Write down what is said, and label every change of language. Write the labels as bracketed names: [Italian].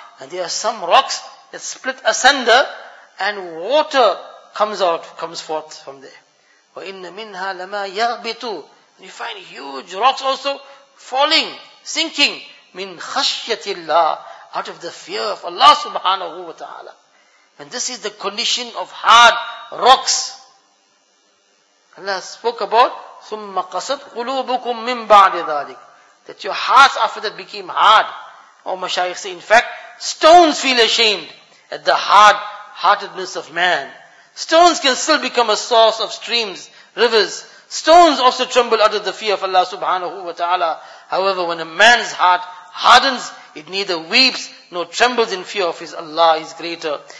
[English] And there are some rocks that split asunder and water comes forth from there. [Arabic] وَإِنَّ مِنْهَا لَمَا يَغْبِتُ. [English] And you find huge rocks also falling, sinking. [Arabic] مِنْ خَشْيَةِ اللَّهِ. [English] Out of the fear of Allah subhanahu wa ta'ala. And this is the condition of hard rocks. Allah spoke about [Arabic] ثُمَّ قَسَدْ قُلُوبُكُمْ مِنْ بَعْدِ ذَلِكَ. [English] That your hearts after that became hard. Oh, Mashayikh say, in fact, stones feel ashamed at the hard-heartedness of man. Stones can still become a source of streams, rivers. Stones also tremble under the fear of Allah subhanahu wa ta'ala. However, when a man's heart hardens, it neither weeps nor trembles in fear of his Allah is greater.